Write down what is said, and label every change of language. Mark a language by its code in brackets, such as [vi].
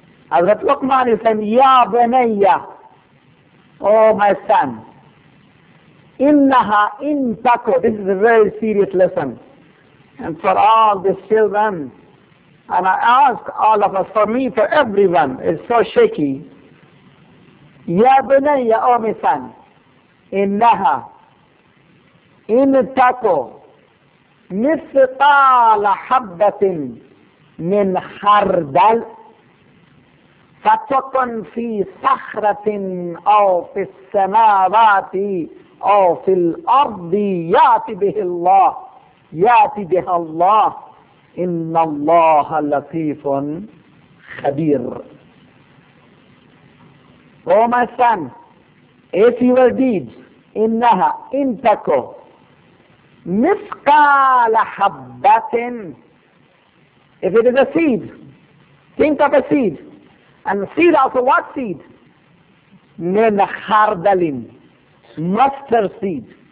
[en] Hazrat Luqman is saying, [ar] Ya Bunayya, [en] O my son, [ar] Innaha in taku. [en] This is a very serious lesson. And for all these children, and I ask all of us, for me, for everyone, it's so shaky. [ar] Ya Bunayya, [en] O my son, [ar] Innaha in taku, Mithqala habbatin min hardal, فَتَكُنْ فِي صَخْرَةٍ أَوْ فِي السَّمَاوَاتِ أَوْ فِي الْأَرْضِ يَأْتِ بِهِ اللَّهِ يَأْتِ بِهَا اللَّهِ إِنَّ اللَّهَ لَطِيفٌ خَبِيرٌ. [en] O my son, if your deeds, [ar] إِنَّهَا إِنْ تَكُوْ مِثْقَالَ حَبَّةٍ, [en] if it is a seed, think of a seed. And seed also, what seed? [ar] Min khardalin, [en] mustard seed.